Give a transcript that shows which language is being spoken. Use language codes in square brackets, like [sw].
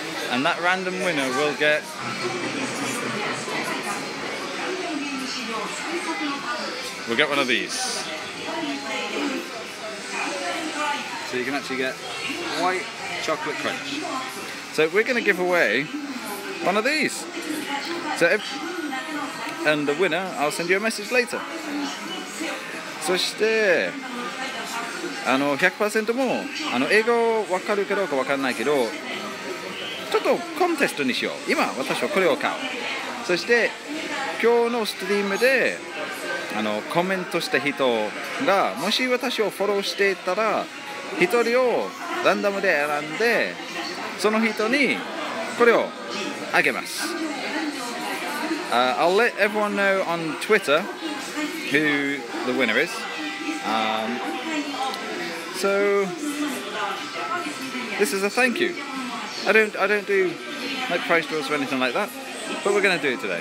[en] And that random winner will get one of these. So you can actually get white chocolate crunch. So we're going to give away one of these. So if, and the winner, I'll send you a message later. [ja] そしてあの 100% もあの英語わかるかどうかわかんないけど、ちょっとコンテストにしよう。今私はこれを買う。そして今日のストリームであのコメントした人が、もし私をフォローしていたら、一人をランダムで選んで、その人にこれをあげます。 [en] I'll let everyone know on Twitter who the winner is. So this is a thank you. I don't do like prize draws or anything like that, but we're going to do it today.